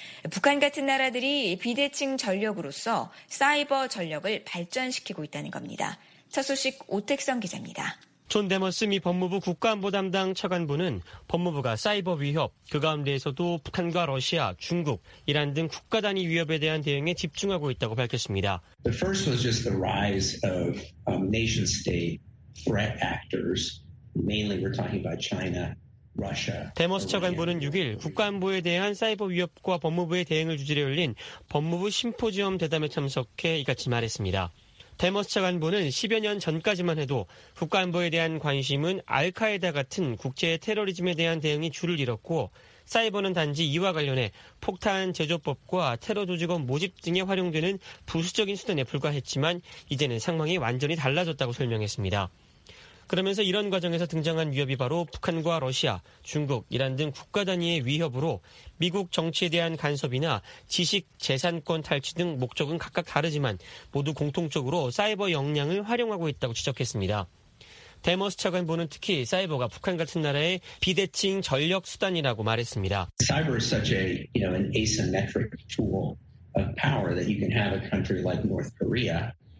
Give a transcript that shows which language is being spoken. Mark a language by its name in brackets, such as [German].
[Korean] 북한 같은 나라들이 비대칭 전력으로서 사이버 전력을 발전시키고 있다는 겁니다. 첫 소식 오택성 기자입니다. 존 데머스 미 법무부 국가안보 담당 차관보는 법무부가 사이버 위협, 그 가운데에서도 북한과 러시아, 중국, 이란 등 국가 단위 위협에 대한 대응에 집중하고 있다고 밝혔습니다. [English] The first was just the rise of nation state threat actors. Mainly we're talking about China. [Korean] 데머스 차관보는 6일 국가안보에 대한 사이버 위협과 법무부의 대응을 주제로 열린 법무부 심포지엄 대담에 참석해 이같이 말했습니다. 데머스 차관보는 10여 년 전까지만 해도 국가안보에 대한 관심은 알카에다 같은 국제 테러리즘에 대한 대응이 주를 이뤘고 사이버는 단지 이와 관련해 폭탄 제조법과 테러 조직원 모집 등에 활용되는 부수적인 수단에 불과했지만 이제는 상황이 완전히 달라졌다고 설명했습니다. 그러면서 이런 과정에서 등장한 위협이 바로 북한과 러시아, 중국, 이란 등 국가 단위의 위협으로 미국 정치에 대한 간섭이나 지식, 재산권 탈취 등 목적은 각각 다르지만 모두 공통적으로 사이버 역량을 활용하고 있다고 지적했습니다. 데머스 차관보는 특히 사이버가 북한 같은 나라의 비대칭 전력 수단이라고 말했습니다. [English] Cyber is such a, you know, an asymmetric tool of power that you can have a country like North Korea.